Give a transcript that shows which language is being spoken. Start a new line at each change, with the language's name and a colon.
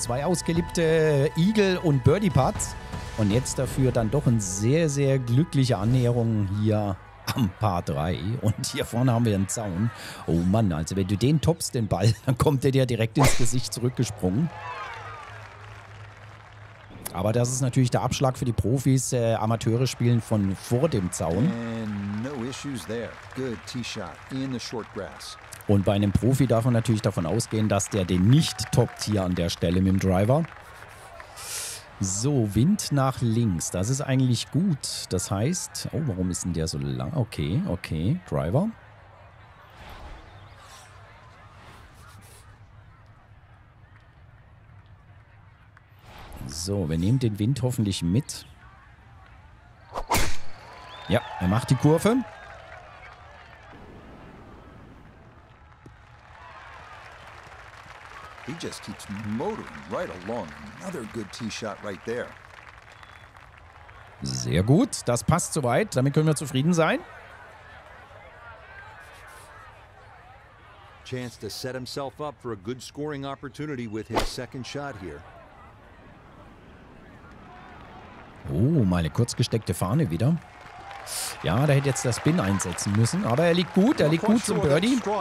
German: Zwei ausgelippte Eagle und Birdie Putts. Und jetzt dafür dann doch eine sehr, sehr glückliche Annäherung hier. Am Par 3. Und hier vorne haben wir einen Zaun. Oh Mann, also wenn du den toppst, den Ball, dann kommt der dir direkt ins Gesicht zurückgesprungen. Aber das ist natürlich der Abschlag für die Profis. Amateure spielen von vor dem Zaun.
English: No issues there. Good tee shot in the short grass.
German: Und bei einem Profi darf man natürlich davon ausgehen, dass der den nicht toppt hier an der Stelle mit dem Driver. So, Wind nach links. Das ist eigentlich gut. Das heißt, oh, warum ist denn der so lang? Okay, okay. Driver. So, wir nehmen den Wind hoffentlich mit. Ja, er macht die Kurve.
English: He just keeps motoring right along. Another good tee shot right there.
German: Sehr gut, das passt soweit. Damit können wir zufrieden sein.
English: Chance to set himself up for a good scoring opportunity with his second shot here.
German: Oh, meine kurz gesteckte Fahne wieder. Ja, da hätte jetzt der Spin einsetzen müssen, aber er liegt gut, er liegt gut zum Birdie.